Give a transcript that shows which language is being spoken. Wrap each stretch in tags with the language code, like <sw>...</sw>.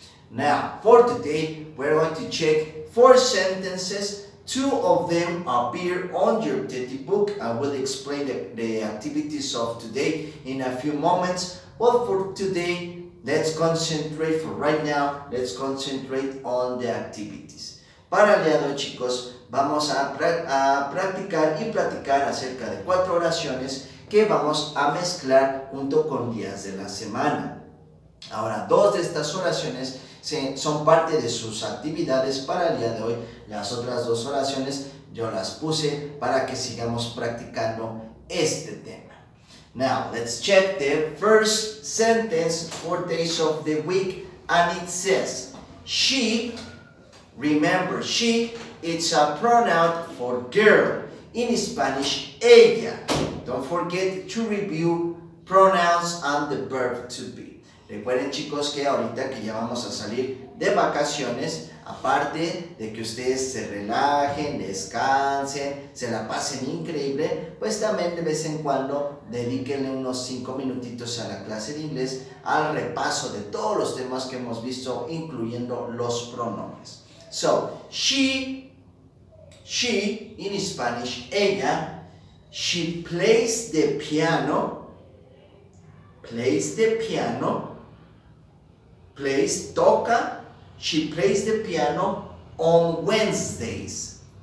<en>Now, for today, we're going to check 4 sentences. 2 of them appear on your teddy book. I will explain the activities of today in a few moments, but for today, let's concentrate, for right now, let's concentrate on the activities.</en> <es>Para el día de hoy, chicos, vamos a practicar y platicar acerca de 4 oraciones que vamos a mezclar junto con días de la semana. Ahora, 2 de estas oraciones son parte de sus actividades para el día de hoy. Las otras 2 oraciones yo las puse para que sigamos practicando este tema.</es> <en>Now, let's check the first sentence for days of the week, and it says, she, remember, she, it's a pronoun for girl. In Spanish, ella. Don't forget to review pronouns and the verb to be.</en> <es>Recuerden, chicos, que ahorita que ya vamos a salir de vacaciones, aparte de que ustedes se relajen, descansen, se la pasen increíble, pues también de vez en cuando dedíquenle unos 5 minutitos a la clase de inglés, al repaso de todos los temas que hemos visto, incluyendo los pronombres.</es> <en>So, she, in Spanish, ella, she plays the piano, plays the piano, plays, toca, She plays the piano on Wednesdays.</en>